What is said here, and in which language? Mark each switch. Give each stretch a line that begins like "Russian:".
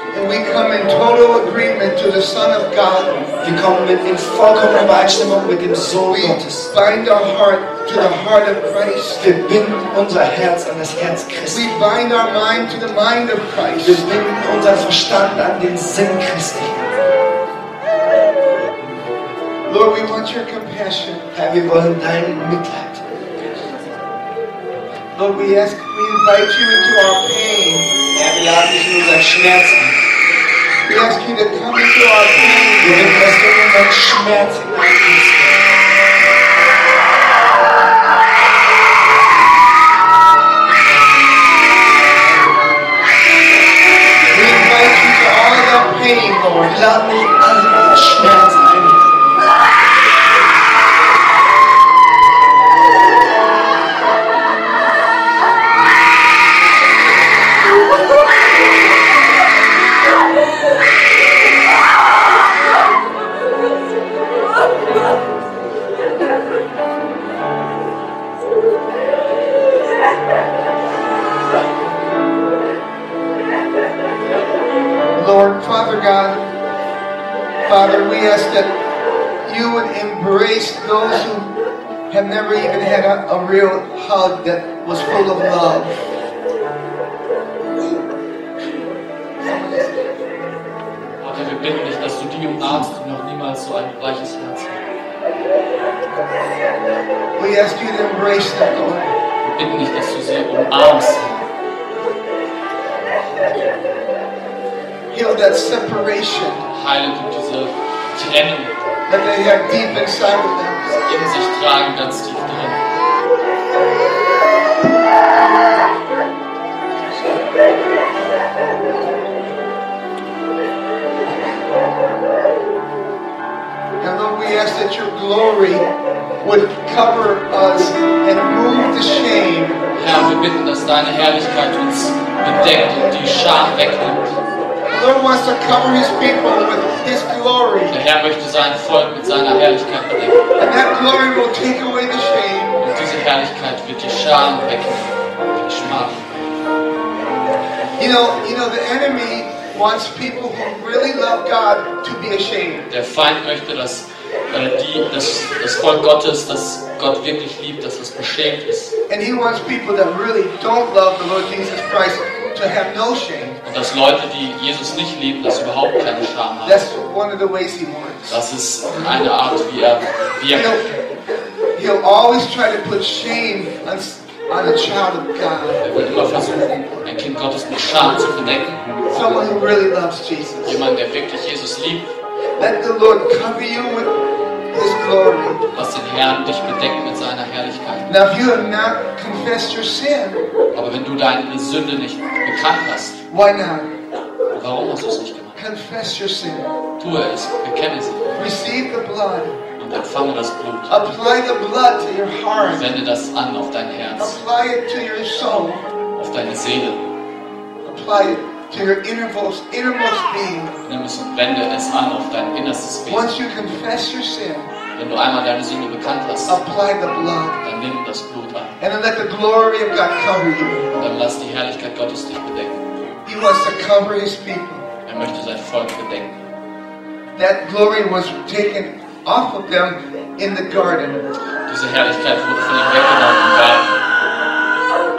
English: And we come in total agreement to the Son of God.
German: Wir kommen mit in vollkommener Übereinstimmung mit dem Sohn Gottes.
English: We bind our heart to the heart of Christ.
German: Wir binden unser Herz an das Herz Christi.
English: We bind our mind to the mind of Christ.
German: Wir binden unser Verstand an den Sinn Christi.
English: Lord, we want your compassion.
German: Herr, wir wollen dein Mitleid.
English: Lord, we ask, we invite you into our pain.
German: Herr, wir laden dich in unseren Schmerz ein.
English: We ask you to come into our pain.
German: Wir bitten, dass du in unseren Schmerz hineinkommst.
English: We invite you to all your pain, Lord.
German: Lade dich all deinen Schmerz ein. Woo-hoo!
English: Father God, Father, we ask that you would embrace those who have never even had a real hug that was full of love.
German: Vater, wir bitten dich, dass du die umarmst, die noch niemals so ein weiches Herz hat.
English: We ask you to embrace them, Lord.
German: Wir bitten dich, dass du sie umarmst.
English: Heal that separation.
German: Heile du diese Trennung.
English: That they have deep inside of them.
German: Sie in sich tragen, ganz tief drin.
English: And Lord, we ask that your glory would cover us and remove the shame.
German: Herr, wir bitten, dass deine Herrlichkeit uns bedeckt und die Scham wegnimmt.
English: The Lord wants to cover his people with his glory.
German: Der Herr möchte sein Volk mit seiner Herrlichkeit bedecken.
English: And that glory will take away the shame.
German: Und diese Herrlichkeit wird die Scham wegnehmen, die Schmach.
English: You know, the enemy wants people who really love God to be ashamed.
German: Der Feind möchte, dass das Volk Gottes, das Gott wirklich liebt, dass es beschämt ist.
English: And he wants people that really don't love the Lord Jesus Christ to have no shame.
German: Und dass Leute, die Jesus nicht lieben, das überhaupt keine Scham haben.
English: That's one of the ways he wants.
German: Das ist eine Art, wie er.
English: He'll always try to put shame on a child of God.
German: Er wird immer versuchen, ein Kind Gottes mit Scham zu verdecken.
English: Someone who really loves Jesus.
German: Jemand, der wirklich Jesus liebt.
English: Let the Lord cover you with His glory.
German: Lass den Herrn dich bedecken mit seiner Herrlichkeit.
English: Now, if you have not confessed your sin,
German: aber wenn du deine Sünde nicht bekannt hast,
English: why not?
German: Warum hast du es nicht gemacht?
English: Confess your sin.
German: Tu es, bekenne es.
English: Receive the blood.
German: Und empfange das Blut.
English: Apply the blood to your heart.
German: Wende das an auf dein Herz.
English: Apply it to your soul.
German: Auf deine Seele.
English: Apply it to your innermost being.
German: Nimm es und wende es an auf dein innerstes Wesen.
English: Once you confess your sin,
German: wenn du einmal deine Sünde bekannt hast,
English: apply the blood,
German: dann nimm das Blut an.
English: And then let the glory of God cover you.
German: Und dann lass die Herrlichkeit Gottes dich bedecken.
English: He wants to cover his people.
German: Er möchte sein Volk bedecken.
English: That glory was taken off of them in the garden.
German: Diese Herrlichkeit wurde von ihnen weggenommen im Garten.